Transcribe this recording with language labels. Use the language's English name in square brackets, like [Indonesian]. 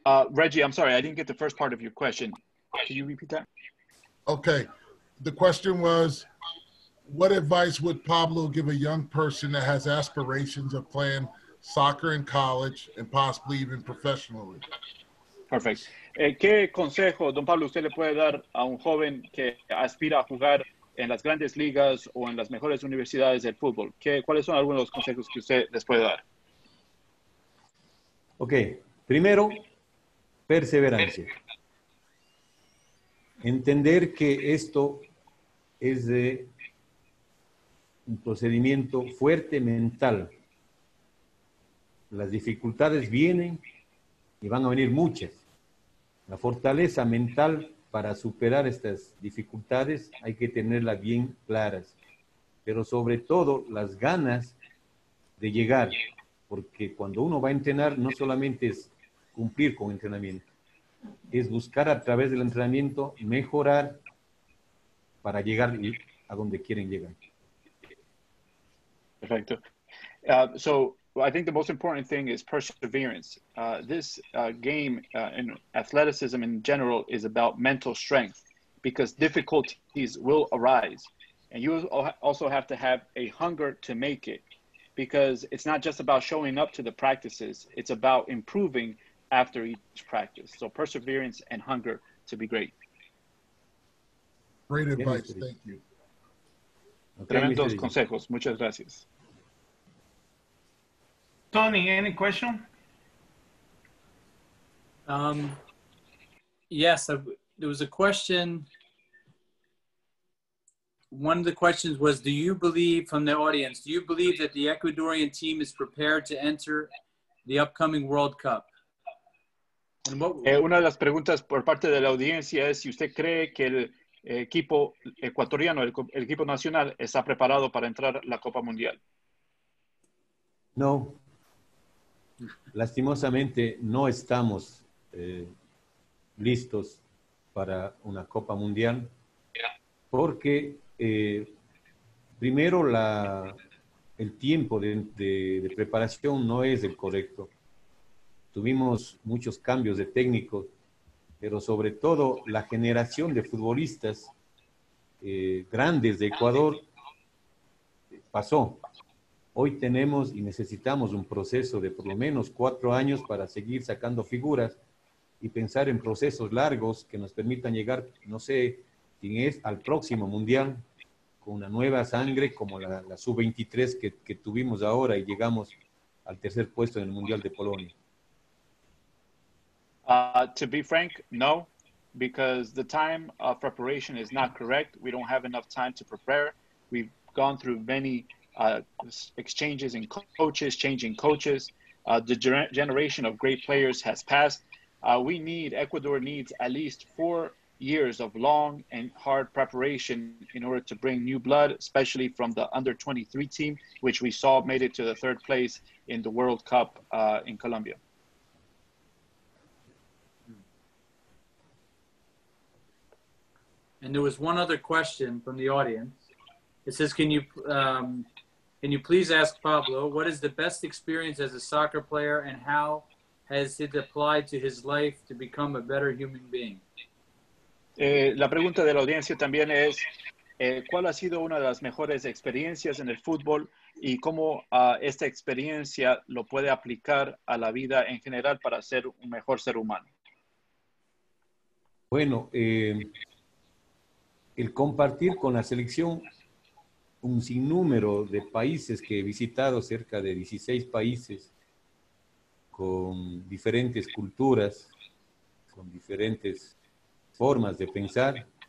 [English] Reggie, I'm sorry, I didn't get the first part of your question. Can you repeat that? Okay. The question was, what advice would Pablo give a young person that has aspirations of playing soccer in college and possibly even professionally? Perfect. [Spanish] ¿Qué consejo, don Pablo, usted le puede dar a un joven que aspira a jugar en las grandes ligas o en las mejores universidades del fútbol? ¿Cuáles son algunos de los consejos que usted les puede dar? Okay. Primero, perseverancia. Entender que esto es de un procedimiento fuerte mental. Las dificultades vienen y van a venir muchas. La fortaleza mental para superar estas dificultades hay que tenerla bien claras. Pero sobre todo las ganas de llegar. Porque cuando uno va a entrenar no solamente es cumplir con entrenamiento. Es buscar a través del entrenamiento mejorar para llegar a donde quieren llegar. Perfecto. [English] So I think the most important thing is perseverance. This game and athleticism in general is about mental strength because difficulties will arise. And you also have to have a hunger to make it because it's not just about showing up to the practices. It's about improving after each practice. So perseverance and hunger to be great. Great advice. Thank you. [Spanish] Okay. Tremendos consejos. Muchas gracias. [English] Tony, any question? Yes, there was a question. One of the questions was, do you believe from the audience, do you believe that the Ecuadorian team is prepared to enter the upcoming World Cup? [Spanish] Una de las preguntas por parte de la audiencia es si usted cree que el equipo ecuatoriano, el equipo nacional, está preparado para entrar a la Copa Mundial. No. Lastimosamente, no estamos listos para una Copa Mundial. Porque, primero, el tiempo de preparación no es el correcto. Tuvimos muchos cambios de técnico, pero sobre todo la generación de futbolistas grandes de Ecuador pasó. Hoy tenemos y necesitamos un proceso de por lo menos 4 años para seguir sacando figuras y pensar en procesos largos que nos permitan llegar, no sé, quién es, al próximo Mundial con una nueva sangre como la sub-23 que tuvimos ahora y llegamos al tercer puesto en el Mundial de Polonia. [English] To be frank, no, because the time of preparation is not correct. We don't have enough time to prepare. We've gone through many exchanges and coaches, changing coaches. The generation of great players has passed. We need, Ecuador needs at least 4 years of long and hard preparation in order to bring new blood, especially from the under 23 team, which we saw made it to the third place in the World Cup in Colombia. And there was one other question from the audience. It says, can you please ask Pablo, what is the best experience as a soccer player and how has it applied to his life to become a better human being? [Spanish] La pregunta de la audiencia también es, ¿cuál ha sido una de las mejores experiencias en el fútbol y cómo esta experiencia lo puede aplicar a la vida en general para ser un mejor ser humano? Bueno, el compartir con la selección un sinnúmero de países que he visitado, cerca de 16 países, con diferentes culturas, con diferentes formas de pensar,